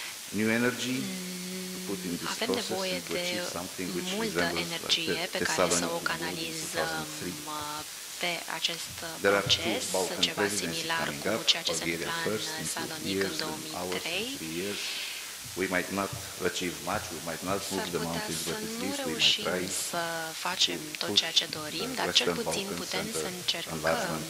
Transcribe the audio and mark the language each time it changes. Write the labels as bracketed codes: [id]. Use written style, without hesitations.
[en] New energy to put in this [ro] avem nevoie de multă energie pe care să o canalizăm pe acest proces, ceva similar cu ceea ce se întâmplă în Salonic în 2003. [en] We might not achieve much, we might not move the mountains, but at least we might try [ro] să facem tot ceea ce dorim, dar cel puțin putem să încercăm să